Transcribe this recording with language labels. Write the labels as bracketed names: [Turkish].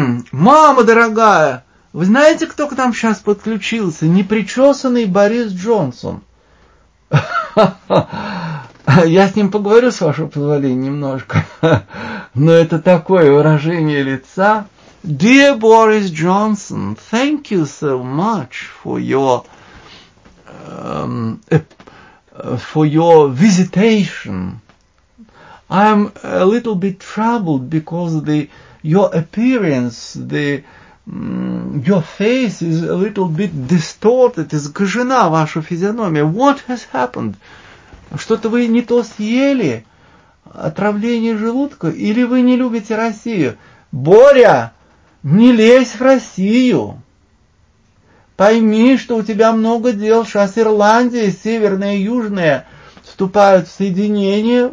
[Russian] Мама дорогая, вы знаете, кто к нам сейчас подключился? Непричесанный Борис Джонсон. Я с ним поговорю, с вашего позволения, немножко. Но это такое выражение лица. [English] Dear Boris Johnson, thank you so much for your visitation. I'm a little bit troubled because your appearance, your face is a little bit distorted. [Russian] Искажена ваша физиономия. [English] What has happened? [Russian] Что-то вы не то съели? Отравление желудка? Или вы не любите Россию? Боря, не лезь в Россию! Пойми, что у тебя много дел. Сейчас Ирландия, Северная и Южная вступают в соединение.